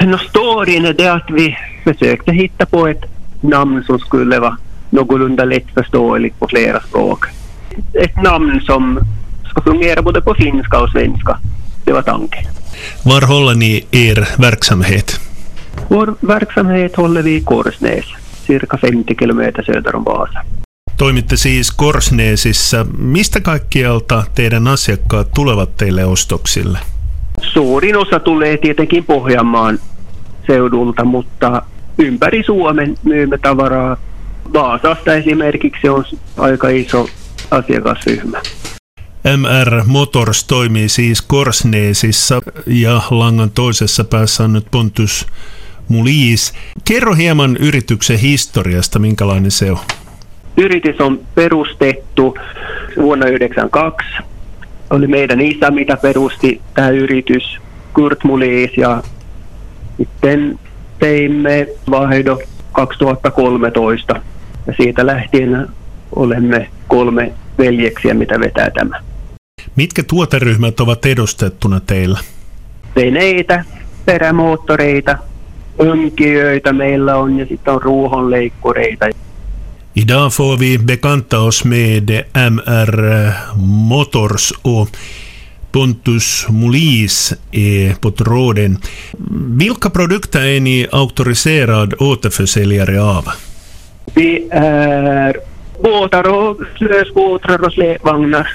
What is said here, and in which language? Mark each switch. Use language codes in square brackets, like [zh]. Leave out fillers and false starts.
[sv] Storyn är det att vi försökte hitta på ett namn som skulle vara någorlunda lättförståeligt på flera språk. Ett namn som ska fungera både på finska och svenska. Det var tanken. Var håller ni er verksamhet? Vår verksamhet håller vi i Korsnäs, cirka 50 km söder om Vasa. [fi] Toimitte siis Korsnäsissä. Mistä kaikkialta teidän asiakkaat tulevat teille ostoksille? Suurin osa tulee tietenkin Pohjanmaan seudulta, mutta ympäri Suomen myymme tavaraa. Vaasasta esimerkiksi on aika iso asiakasryhmä. MR Motors toimii siis Korsnäsissä ja langan toisessa päässä on nyt Pontus Molins. Kerro hieman yrityksen historiasta, minkälainen se on. Yritys on perustettu vuonna 1992. Oli meidän isä, mitä perusti tämä yritys, Kurt Molins, ja sitten teimme vaihdo 2013. Ja siitä lähtien olemme kolme veljeksiä, mitä vetää tämä. Mitkä tuoteryhmät ovat edustettuna teillä? Veneitä, perämoottoreita, önkijöitä meillä on ja sitten on ruohonleikkureita. [sv] Idag får vi bekanta oss med MR Motors och Pontus Molins på tråden. Vilka produkter är ni auktoriserad återförsäljare av? Vi är båtar och slösbåtar och släpvagnar.